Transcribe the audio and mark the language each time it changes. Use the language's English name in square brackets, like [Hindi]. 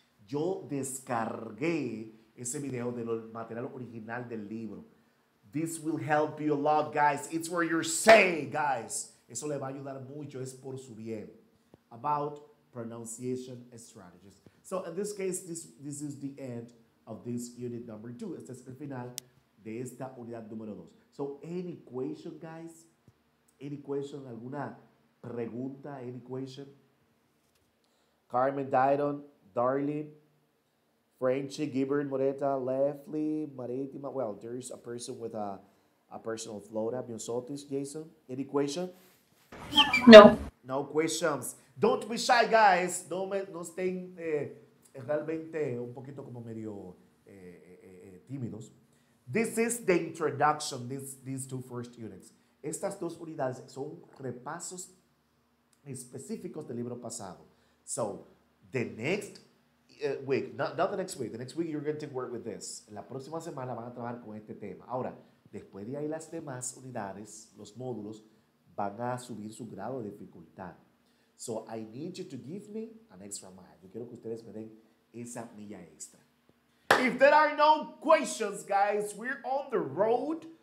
[Spanish] Yo descargué ese video del material original del libro. [English] This will help you a lot, guys. It's for your sake, guys. [Spanish] Eso le va a ayudar mucho. Es por su bien. [English] About pronunciation strategies. So, in this case, this is the end of this unit number 2. [Spanish] Este es el final de esta unidad número 2. [English] So, any question, guys? Any question? [Spanish] ¿Alguna pregunta? [English] Any question? [Spanish] Carmen Dairon, Darlene, Frenchy, Gibbert, Moreta, Lefley, Maritima. [English] Well, there is a person with a person of Florida, Biosotis, Jason. Any question? No. No questions. Don't be shy, guys. [Spanish] No estén realmente un poquito como medio tímidos. [English] This is the introduction, these two first units. [Spanish] Estas dos unidades son repasos específicos del libro pasado. [English] So, the next week, not the next week, the next week you're going to work with this. [Spanish] La próxima semana van a trabajar con este tema. Ahora, después de ahí las demás unidades, los módulos, van a subir su grado de dificultad. [English] So, I need you to give me an extra mile. [Spanish] Yo quiero que ustedes me den esa milla extra. [English] If there are no questions, guys, we're on the road.